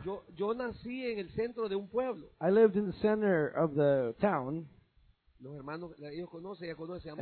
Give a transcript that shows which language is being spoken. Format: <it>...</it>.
<es>Yo nací en el centro de un pueblo.</es> <en>I lived in the center of the town.</en> <es>Los hermanos, ellos conocen, ella conoce, se llama</es>